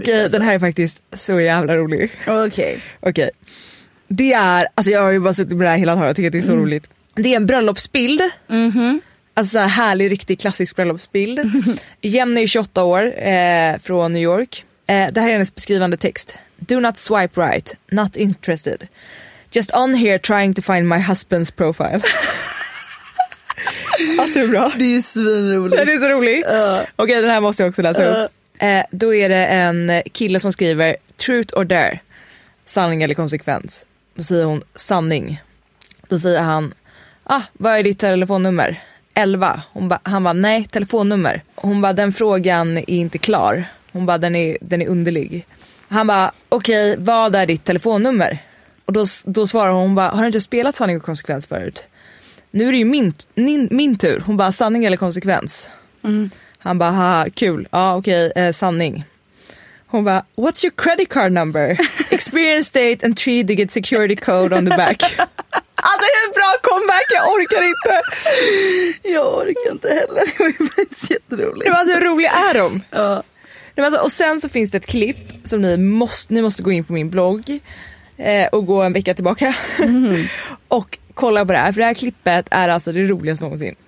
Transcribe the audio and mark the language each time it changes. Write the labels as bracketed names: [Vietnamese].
[Swedish] Okej, den här är faktiskt så jävla rolig. Okej. Okej. Det är, alltså jag har ju bara suttit med det här hela dagen. Jag tycker att det är så roligt. Det är en bröllopsbild. Mm-hmm. Alltså härlig, riktig klassisk bröllopsbild. Jenny är 28 år, från New York. Det här är hennes beskrivande text. [English] Do not swipe right, not interested. Just on here trying to find my husband's profile. [Swedish] Alltså bra. Det är svinroligt. Det är så roligt. Okej, den här måste jag också läsa upp. Då är det en kille som skriver [English] truth or dare, [Swedish] sanning eller konsekvens. Då säger hon sanning. Då säger han, ah, vad är ditt telefonnummer? 11. Han bara, nej, telefonnummer. Hon bara, den frågan är inte klar. Hon bara, den är underlig. Han bara, okej, vad är ditt telefonnummer? Och då svarar hon bara, har du inte spelat sanning och konsekvens förut? Nu är det ju min tur. Hon bara, sanning eller konsekvens? Mm. Han bara, haha, kul. Ja, okej, sanning. Hon bara, [English] what's your credit card number? Experience date and 3-digit security code on the back. [Swedish] Alltså hur bra comeback, jag orkar inte. Jag orkar inte heller. Det var ju faktiskt jätteroligt. Det var så roligt, är de? Ja. Det var så, och sen så finns det ett klipp som ni måste gå in på min blogg och gå en vecka tillbaka. Mm-hmm. Och kolla på det här, för det här klippet är alltså det roligaste någonsin.